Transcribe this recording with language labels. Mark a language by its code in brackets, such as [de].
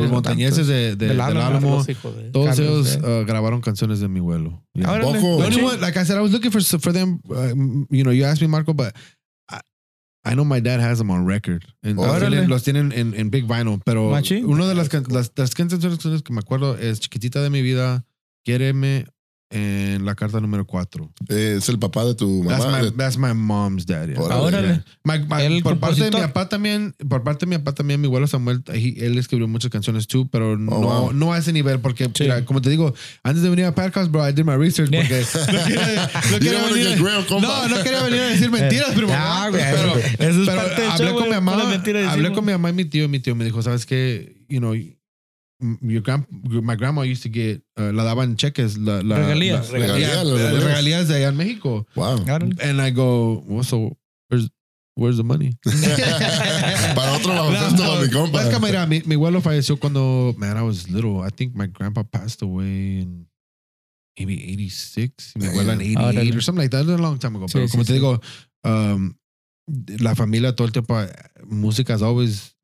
[es] los Montañeses del Álamo, todos ellos grabaron canciones de mi abuelo. [en] Like I said, I was looking for them, you know, you asked me, Marco, but I know my dad has them on record. [es] Los tienen en big vinyl. Pero una de las canciones que me acuerdo es Chiquitita de mi vida, Quiéreme, en la carta número 4. Es el papá de tu mamá. [en] That's my mom's dad. Órale. [es] Yeah. Por parte de mi papá también, mi abuelo Samuel, él escribió muchas canciones too, pero no a ese nivel, porque mira, como te digo, antes de venir a podcast, bro, [en] I did my research, [es] porque no quería venir a decir mentiras, primo. Hablé con mi mamá y mi tío me dijo, ¿sabes qué? [en] You know, my grandma used to get [es] la daban cheques, regalías de allá en México. [en] Wow. And I go, well, so where's the money? [es] Para otro lado, mi compa. Es que mira, mi abuelo falleció cuando, [en] I was little. I think my grandpa passed away in maybe 86, [es] mi abuela en 88 [en] or something like that. It was a long time ago. [es] Pero como te digo, la familia todo el tiempo, música es always